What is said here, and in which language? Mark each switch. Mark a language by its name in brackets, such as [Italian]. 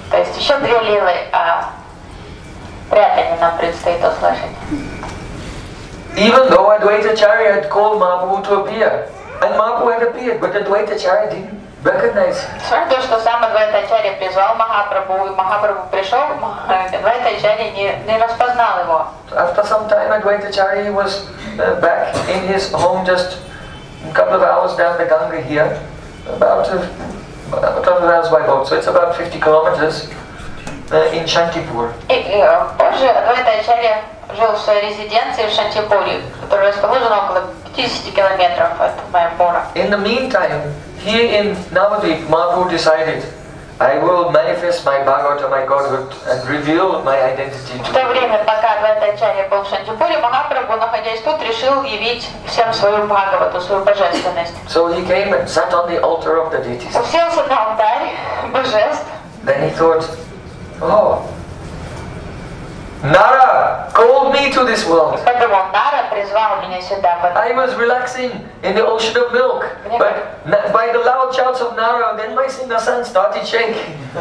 [Russian] То есть еще две лилы, а прятание нам предстоит услышать. [English] Even though Адвайта-ачарья had called Махапрабху to appear, and Махапрабху had appeared, but Адвайта-ачарья didn't. Recognize. [Russian] То, что сам Адвайта-ачарья призвал Махапрабху, и Махапрабху пришел, Адвайта-ачарья не распознал его. [English] After some time, Адвайта-ачарья was back in his home, just a couple of hours down the Ganga here, about a couple of hours by boat, so it's about 50 kilometers in Shantipur. [Russian] Позже Адвайта-ачарья жил в своей резиденции в Шантипуре, которая расположена около 50 километров от Майяпура. [English] In the meantime, here in Navadvip, Mahaprabhu decided, I will manifest my Bhagavata, my Godhood, and reveal my identity to you. [Russian] В то время, пока Адвайта-ачарья был в Шантипуре, Махапрабху, находясь тут, решил явить всем свою Бхагавату, свою божественность. [English] So he came and sat on the altar of the deities. [Russian] Уселся на алтарь божеств. [English] Then he thought, oh, Nara called me to this world. I was relaxing in the ocean of milk, but by the loud shouts of Nara, then my Singha San started shaking.